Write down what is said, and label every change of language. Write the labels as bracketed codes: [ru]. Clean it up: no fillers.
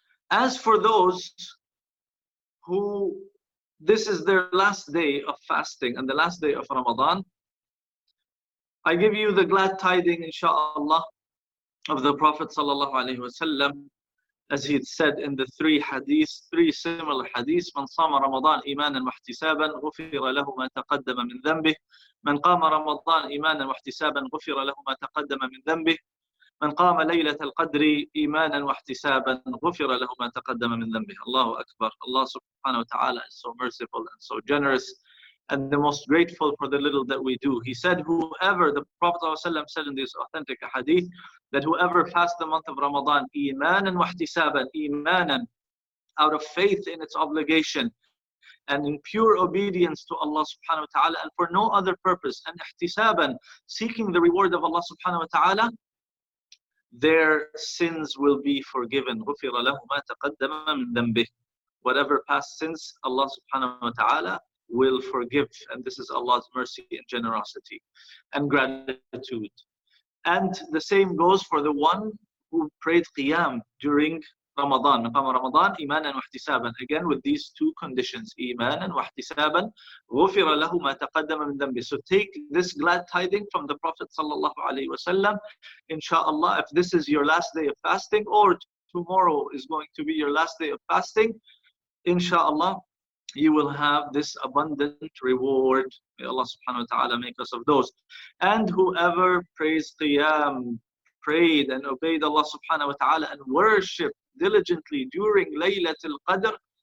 [en] As for those who this is their last day of fasting and the last day of Ramadan, I give you the glad tiding, inshallah, of the Prophet sallallahu alaihi wasallam. As he had said in the three similar hadiths, [ar] من صام رمضان إيمانا واحتسابا غفر له ما تقدم من ذنبه من قام رمضان إيمانا واحتسابا غفر له ما تقدم من ذنبه من قام ليلة القدر إيمانا واحتسابا غفر له ما تقدم من ذنبه. الله أكبر. [en] Allah subhanahu wa ta'ala is so merciful and so generous and the most grateful for the little that we do. He said, whoever, the Prophet ﷺ said in this authentic hadith, that whoever fasts the month of Ramadan, imanan wa ihtisaban, imanan, out of faith in its obligation, and in pure obedience to Allah subhanahu wa ta'ala, and for no other purpose, and ihtisaban, seeking the reward of Allah subhanahu wa ta'ala, their sins will be forgiven. [ar] غُفِرَ لَهُ مَا تَقَدَّمَ مِنْ ذَنْبِهِ. [en] Whatever past sins, Allah subhanahu wa ta'ala will forgive. And this is Allah's mercy and generosity and gratitude. And the same goes for the one who prayed qiyam during Ramadan. [ar] مقام رمضان إيمانا واحتسابا. [en] Again, with these two conditions, [ar] إيمانا واحتسابا غفر له ما تقدم من ذنبه. [en] So take this glad tiding from the Prophet sallallahu alaihi wasallam. Inshallah, if this is your last day of fasting, or tomorrow is going to be your last day of fasting, inshallah, you will have this abundant reward. May Allah subhanahu wa ta'ala make us of those. And whoever prays qiyam, prayed and obeyed Allah subhanahu wa ta'ala and worshipped diligently during Laylatul Qadr,